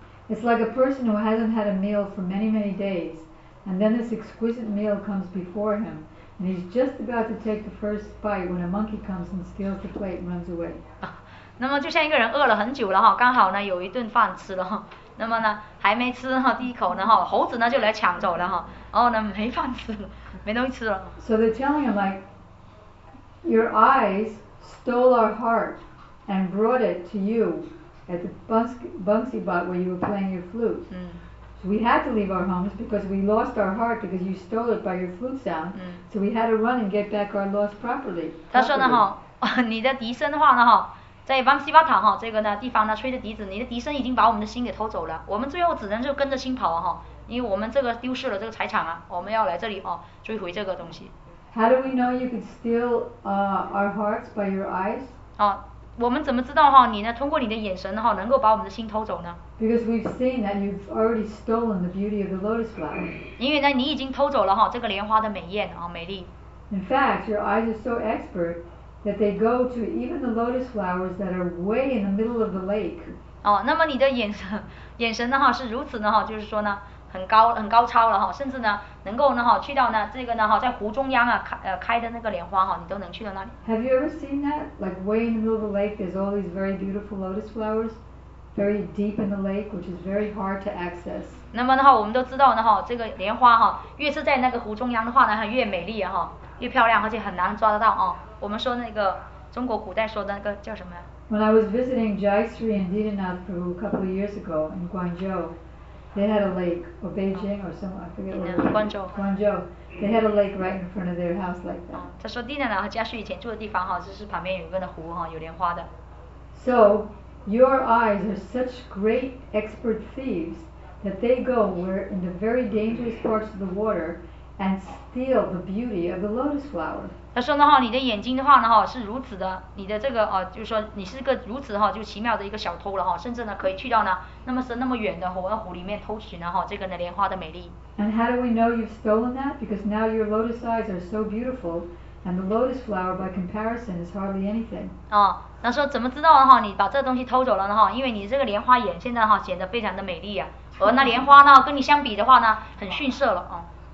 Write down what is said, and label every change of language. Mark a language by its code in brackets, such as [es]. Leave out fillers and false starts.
[en] It's like a person who hasn't had a meal for many, many days, and then this exquisite meal comes before him, and he's just about to take the first bite when a monkey comes and steals the plate and runs away. [zh] 那么就像一个人饿了很久了哈，刚好呢有一顿饭吃了哈，那么呢还没吃哈第一口呢哈，猴子呢就来抢走了哈，然后呢没饭吃了，没东西吃了。 [en] So they're telling him like, your eyes. Stole our heart and brought it to you at the Bunsibot where you were playing your flute. So we had to leave our homes because we lost our heart because you stole it by your flute sound. So we had to run and get back our lost property. [zh] 他说呢哈，你的笛声的话呢哈，在 Bunsibot 哈这个呢地方呢吹的笛子，你的笛声已经把我们的心给偷走了。我们最后只能就跟着心跑哈，因为我们这个丢失了这个财产啊，我们要来这里哦追回这个东西。 [en] How do we know you could steal our hearts by your eyes? [zh] 啊，我们怎么知道哈？你呢？通过你的眼神哈，能够把我们的心偷走呢 [en] ？Because we've seen that you've already stolen the beauty of the lotus flower. [zh] 因为呢，你已经偷走了哈这个莲花的美艳啊，美丽。 [en] In fact, your eyes are so expert that they go to even the lotus flowers that are way in the middle of the lake. [zh] 哦，那么你的眼神呢哈是如此呢哈，就是说呢。很高超了哈，甚至呢，能够呢哈去到呢这个呢哈，在湖中央啊开的那个莲花哈，你都能去到那里。 [en] Have you ever seen that? Like way in the middle of the lake, there's all these very beautiful lotus flowers, very deep in the lake, which is very hard to access. [zh] 那么的话，我们都知道呢哈，这个莲花哈，越是在那个湖中央的话呢，越美丽哈，越漂亮，而且很难抓得到啊。我们说那个中国古代说的那个叫什么呀 [en] ？When I was visiting Jaisri and Dinanath Prabhu a couple of years ago in Guangzhou. They had a lake, or Beijing, or somewhere, I forget where. Guangzhou. Guangzhou. They had a lake right in front of their house like that. [zh] 他说蒂娜娜和嘉旭以前住的地方哈，就是旁边有一个湖哈，有莲花的。 [en] So your eyes are such great expert thieves that they go where in the very dangerous parts of the water and steal the beauty of the lotus flower. [zh] 他说呢哈，你的眼睛的话呢哈，是如此的，你的这个哦，就是说你是个如此哈，就奇妙的一个小偷了哈，甚至呢可以去到呢那么深那么远的湖里面偷取呢哈这个呢莲花的美丽。 [en] And how do we know you've stolen that? Because now your lotus eyes are so beautiful, and the lotus flower by comparison is hardly anything. [zh] 哦，他说怎么知道的哈，你把这东西偷走了呢哈？因为你这个莲花眼现在哈显得非常的美丽啊，而那莲花呢跟你相比的话呢，很逊色了啊。